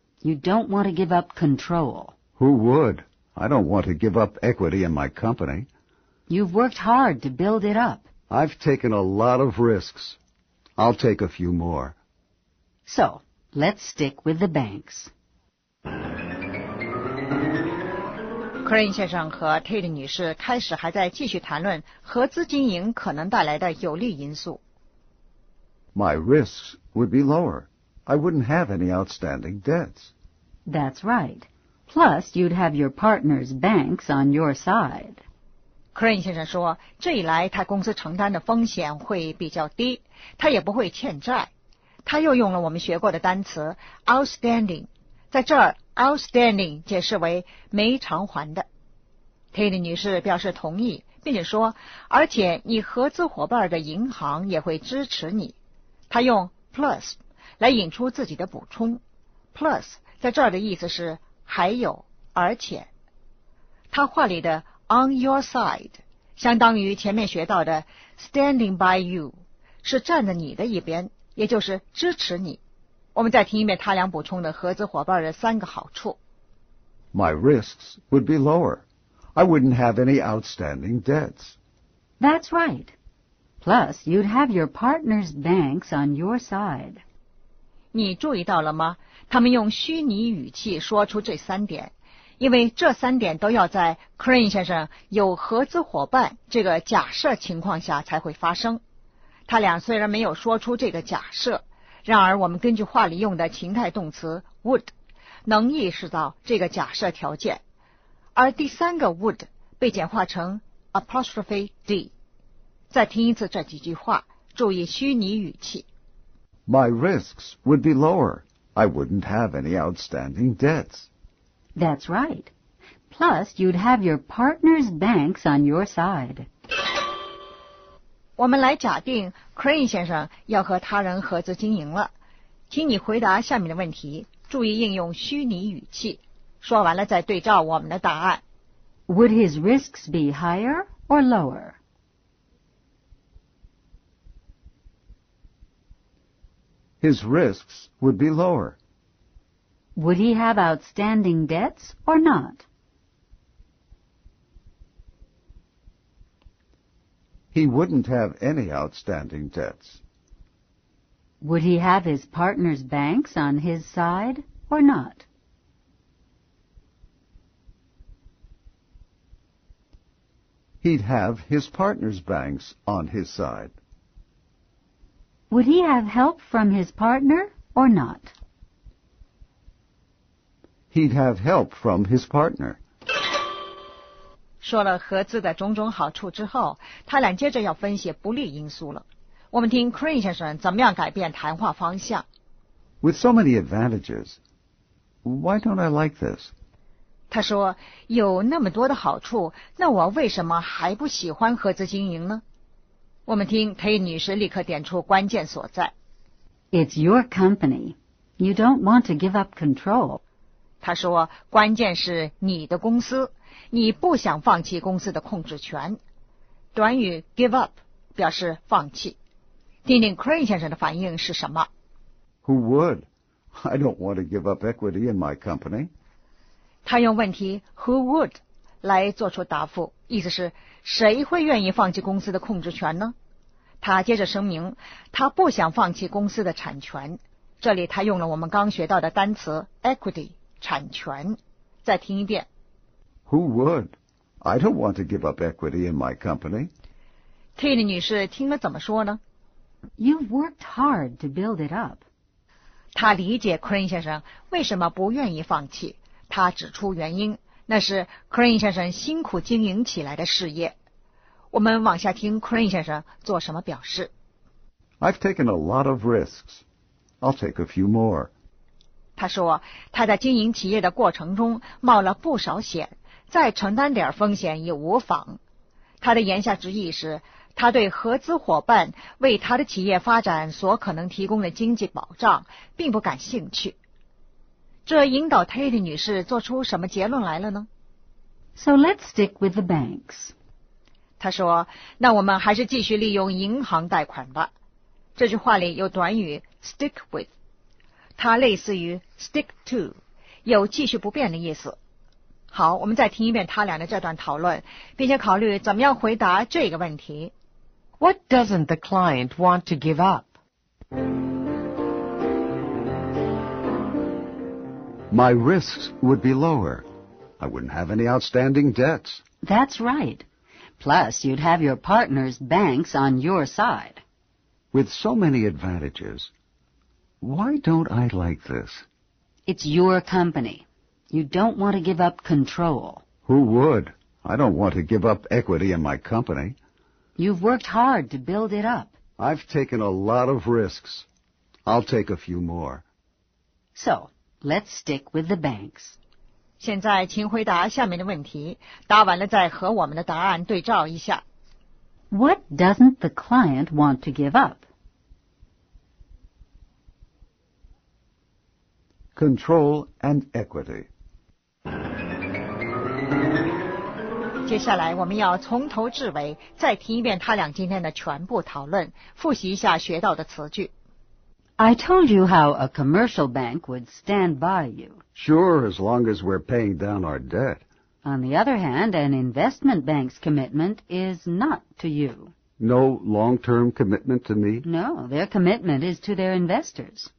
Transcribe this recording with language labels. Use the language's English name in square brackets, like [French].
[English] You don't want to give up control. Who would? I don't want to give up equity in my company. You've worked hard to build it up. I've taken a lot of risks. I'll take a few more. So, let's stick with the banks. [Chinese] Crane 先生和 Tate 女士开始还在继续谈论合资经营可能带来的有利因素。 [English] My risks would be lower. I wouldn't have any outstanding debts. That's right. Plus, you'd have your partner's banks on your side. [Chinese] Crane 先生说，这一来他公司承担的风险会比较低，他也不会欠债。他又用了我们学过的单词 outstanding， 在这儿。 Outstanding 解释为没偿还的。Tate 女士表示同意，并且说，而且你合资伙伴的银行也会支持你。她用 plus 来引出自己的补充， plus 在这儿的意思是还有，而且。她话里的 [English] on your side [Chinese] 相当于前面学到的 [English] standing by you， [Chinese] 是站在你的一边，也就是支持你。我们再听一遍他俩补充的合资伙伴的三个好处。 [English] My risks would be lower. I wouldn't have any outstanding debts. That's right. Plus, you'd have your partner's banks on your side. [Chinese] 你注意到了吗？他们用虚拟语气说出这三点，因为这三点都要在 Crane 先生有合资伙伴这个假设情况下才会发生。他俩虽然没有说出这个假设，然而我们根据话里用的情态动词 would 能意识到这个假设条件，而第三个 would 被简化成 [English] apostrophe d。 [Chinese] 再听一次这几句话，注意虚拟语气。 [English] My risks would be lower. I wouldn't have any outstanding debts. That's right. Plus, you'd have your partner's banks on your side. 我们来假定 Crane 先生要和他人合资经营了，请你回答下面的问题，注意应用虚拟语气，说完了再对照我们的答案。 Would his risks be higher or lower? His risks would be lower. Would he have outstanding debts or not? He wouldn't have any outstanding debts. Would he have his partner's banks on his side or not? He'd have his partner's banks on his side. Would he have help from his partner or not? He'd have help from his partner. [Chinese] 说了合资的种种好处之后，他俩接着要分析不利因素了。我们听 Crane 先生怎么样改变谈话方向。 [English] With so many advantages, why don't I like this? [Chinese] 他说，有那么多的好处，那我为什么还不喜欢合资经营呢？我们听 Tate 女士立刻点出关键所在。 [English] It's your company. You don't want to give up control. [Chinese] 他说，关键是你的公司。你不想放弃公司的控制权。短语 [English] give up [Chinese] 表示放弃。听听 Crane 先生的反应是什么。 [English] Who would? I don't want to give up equity in my company. [Chinese] 他用问题 [English] who would [Chinese] 来做出答复，意思是谁会愿意放弃公司的控制权呢？他接着声明，他不想放弃公司的产权。这里他用了我们刚学到的单词 equity 产权。再听一遍。 [English] Who would? I don't want to give up equity in my company. [Chinese] Tate 女士听了怎么说呢？ [English] You've worked hard to build it up. [Chinese] 她理解 Crane 先生为什么不愿意放弃。她指出原因，那是 Crane 先生辛苦经营起来的事业。我们往下听 Crane 先生做什么表示。 [English] I've taken a lot of risks. I'll take a few more. [Chinese] 她说，她在经营企业的过程中冒了不少险。再承担点风险也无妨。他的言下之意是，他对合资伙伴为他的企业发展所可能提供的经济保障并不感兴趣。这引导 Tate 女士做出什么结论来了呢？ [English] So let's stick with the banks. [Chinese] 他说，那我们还是继续利用银行贷款吧。这句话里有短语 [English] stick with， [Chinese] 它类似于 [English] stick to， [Chinese] 有继续不变的意思。好，我们再听一遍他俩的这段讨论，并且考虑怎么样回答这个问题。 [English] What doesn't the client want to give up? My risks would be lower. I wouldn't have any outstanding debts. That's right. Plus, you'd have your partner's banks on your side. With so many advantages, why don't I like this? It's your company. You don't want to give up control. Who would? I don't want to give up equity in my company. You've worked hard to build it up. I've taken a lot of risks. I'll take a few more. So, let's stick with the banks. [Chinese] 现在请回答下面的问题，答完了再和我们的答案对照一下。 [English] What doesn't the client want to give up? Control and equity. [Chinese] 接下来我们要从头至尾再听一遍他俩今天的全部讨论，复习一下学到的词句。 [English] I told you how a commercial bank would stand by you. Sure, as long as we're paying down our debt. On the other hand, an investment bank's commitment is not to you. No long-term commitment to me? No, their commitment is to their investors.